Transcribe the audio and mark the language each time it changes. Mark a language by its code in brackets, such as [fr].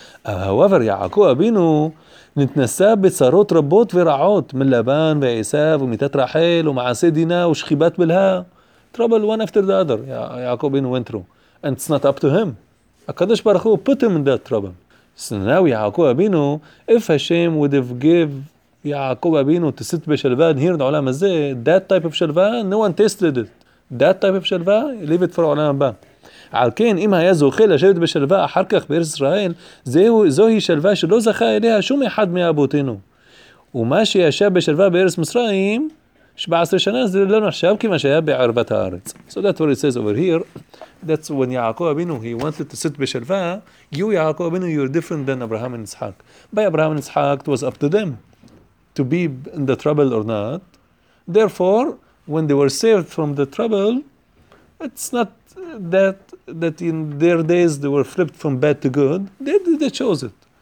[he] However, Yaakov Abinu, נתנסה בצרות רבות ורעות, מלבן ועשיו ומיתת רחל ומעשה דינה ושכיבת בלהה. [en] Trouble one after the other, יעקב בן went through. And it's not up to him. הקדוש ברוך הוא put him in that trouble. סנאו יעקב אבינו, if Hashem would have given יעקב אבינו to sit בשלווה near the עולם הזה, that type of שלווה, no one tested it. That type of שלווה, leave it for העולם הבא. [he] על כן, אם היה זוכה לשבת בשלווה אחר כך בארץ ישראל, זוהי שלווה שלא זכה אליה שום אחד מאבותינו. ומה שישב בשלווה בארץ מצרים, 17 שנה זה לא נחשב כמה שהיה בערבת הארץ. [en] So that's what it says over here. That's when Yaakov Abinu, he wanted to sit בשלווה, you Yaakov Abinu, you're different than Abraham and Ishaq. By Abraham and Ishaq, it was up to them to be in the trouble or not. Therefore, when they were saved from the trouble, it's not that in their days they were flipped from bad to good. They chose it.